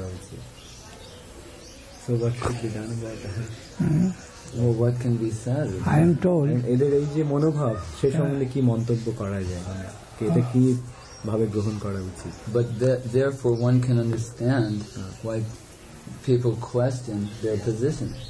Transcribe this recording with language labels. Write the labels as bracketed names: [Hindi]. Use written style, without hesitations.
[English] so what should be done about that? Well, what can be said? I am told. [Bangla] এদের এই যে মনোভাব, সে সম্বন্ধে কি মন্তব্য করা যায়? কে এটা কি ভাবে গ্রহণ করা উচিত? [English] But therefore one can understand why people question their position.